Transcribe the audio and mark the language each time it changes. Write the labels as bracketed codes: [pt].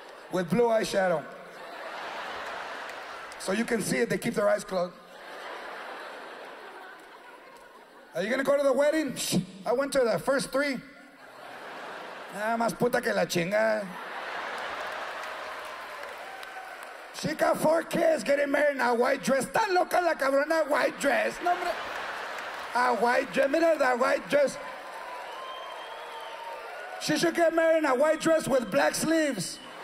[en] With blue eyeshadow. So you can see it, they keep their eyes closed. Are you gonna go to the wedding? Shh. I went to the first three. [es] Ah, más puta que la chingada. [en] She got four kids getting married in a white dress. [es] Tan loca la cabrona, white dress. No, hombre. [en] A white dress. [es] Mira [en] the white dress. She should get married in a white dress with black sleeves.